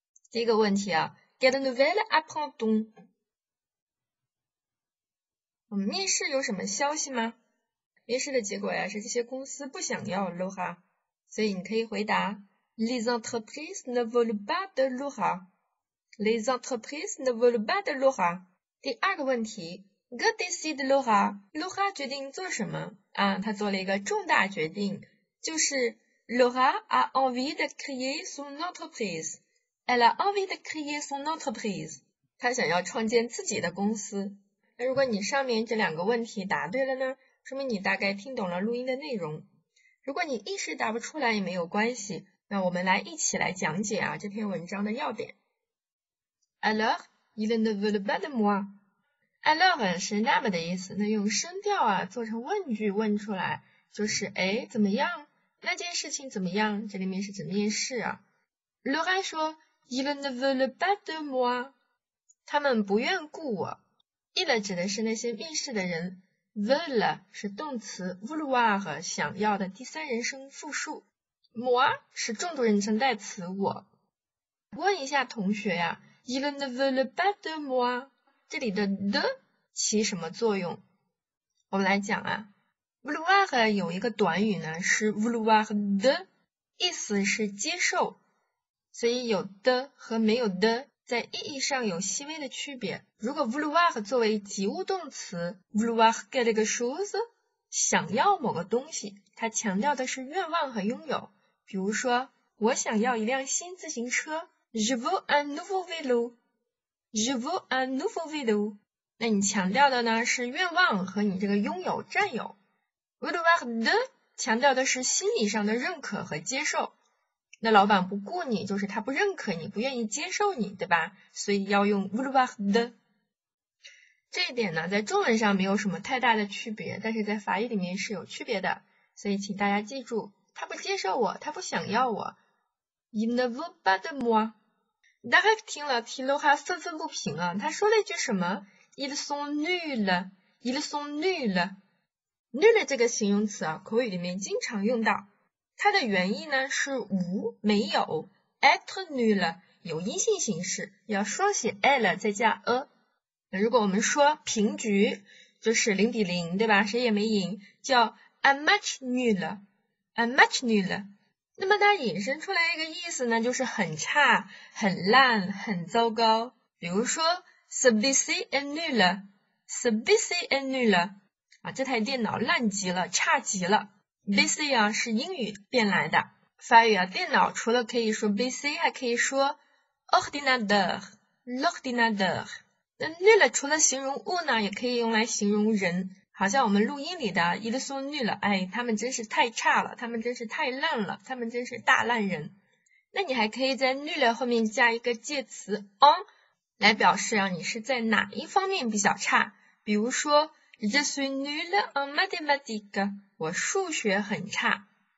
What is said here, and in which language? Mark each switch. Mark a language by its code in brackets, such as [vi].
[zh] 第一个问题啊。 [fr] Get a nouvelle apprend-on? [zh] 我们面试有什么消息吗？面试的结果呀，是这些公司不想要 Laura， 所以你可以回答 [fr] Les entreprises ne veulent pas de Laura. Les entreprises ne veulent pas de Laura. [zh] 第二个问题 [fr] ，Que décide Laura? [zh] Laura 决定做什么？啊，她做了一个重大决定，就是 [fr] Laura a envie de créer son entreprise. Elle a envie de créer son entreprise. [zh] 她想要创建自己的公司。那如果你上面这两个问题答对了呢，说明你大概听懂了录音的内容。如果你一时答不出来也没有关系，那我们来一起来讲解啊这篇文章的要点。 [fr] Alors, il ne veut pas de moi. [zh] Alors 是那么的意思，那用声调啊做成问句问出来，就是诶怎么样，那件事情怎么样，这里面是指面试啊。 [fr] Laura [zh] 说 [fr] Il ne veut pas de moi. [zh] 他们不愿雇我。 Il 指的是那些面试的人。Veulent 是动词 vouloir 想要的第三人称复数。 Moi 是重度人称代词我。问一下同学呀、 [fr] Il ne veut pas de moi. [zh] 这里的 de 起什么作用？我们来讲啊。 Vouloir 有一个短语呢是 vouloir de， 意思是接受。所以有的和没有的在意义上有细微的区别。如果 vouloir 作为及物动词 ， [fr] vouloir quelque chose， [zh] 想要某个东西，它强调的是愿望和拥有。比如说，我想要一辆新自行车 [fr] ，je veux un nouveau vélo， je veux un nouveau vélo。 [zh] 那你强调的呢是愿望和你这个拥有占有。 vouloir de 强调的是心理上的认可和接受。那老板不雇你，就是他不认可你，不愿意接受你，对吧？所以要用 vouloir de。这一点呢，在中文上没有什么太大的区别，但是在法语里面是有区别的。所以请大家记住，他不接受我，他不想要我。 [fr] Il ne veut pas de moi。 [zh] 大概听了提罗哈愤愤不平啊，他说了一句什么 ？ [fr] Ils sont nuls。 Ils sont nuls。 [zh] nul 这个形容词啊，口语里面经常用到。它的原意呢是无，没有 ， [fr] être nul [zh] 有阴性形式，要双写 l 再加 a。如果我们说平局就是零比零，对吧？谁也没赢，叫 [fr] un match nul， un match nul。 [zh] 那么它引申出来一个意思呢，就是很差、很烂、很糟糕。比如说 [fr] service est nul， service est nul， [zh] 啊，这台电脑烂极了，差极了。 PC 啊是英语变来的。法语啊，电脑除了可以说 PC， 还可以说 ordinateur， l'ordinateur。那 nul 除了形容物呢，也可以用来形容人。好像我们录音里的 [fr] ils sont nuls， [zh] 哎，他们真是太差了，他们真是太烂了，他们真是大烂人。那你还可以在 nul 后面加一个介词 on 来表示啊，你是在哪一方面比较差。比如说 [fr] je suis nul en mathématiques， [zh] 我数学很差。